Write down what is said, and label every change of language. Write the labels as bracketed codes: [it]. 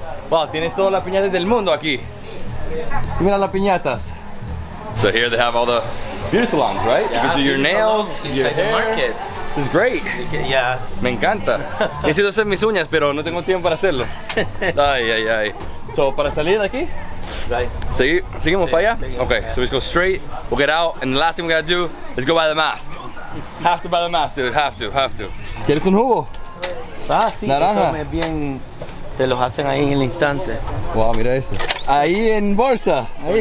[es] Wow, tienes todas las piñatas del mundo aquí. Mira las piñatas. [en] So here they have all the beauty salons, right? Yeah, you can do your nails, your like hair. The market. It's great. Yeah. [es] Me encanta. He sido hacer mis uñas, pero no tengo tiempo para hacerlo. Ay, ay, ay. So, para salir de aquí? [en] Right. [es] Seguimos para allá? [en] Okay, yeah. So we just go straight, we'll get out, and the last thing we gotta do is go buy the mask. Have to buy the mask, dude. Have to. [es] ¿Quieres un jugo? Ah, sí. Naranja. Te comes bien. Te los hacen ahí en el instante. Wow, mira eso. Ahí en bolsa. Ahí.